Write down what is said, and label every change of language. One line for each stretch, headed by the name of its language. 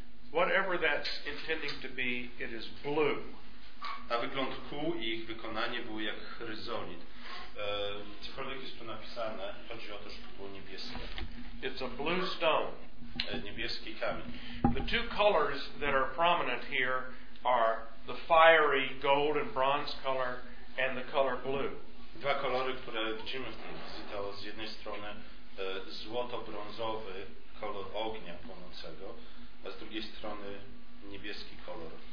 English: Whatever that's intending to be, it is blue.
Polish: A wygląd kół i ich wykonanie był jak chryzolit. Cokolwiek jest tu napisane, chodzi o to, że to było niebieskie.
English: It's a blue stone.
Polish: Niebieski kamień.
English: The two colors that are prominent here are the fiery gold and bronze color and the color blue.
Polish: Dwa kolory, które widzimy w tej wizji, to z jednej strony złoto-brązowy kolor ognia płonącego, a z drugiej strony niebieski kolor.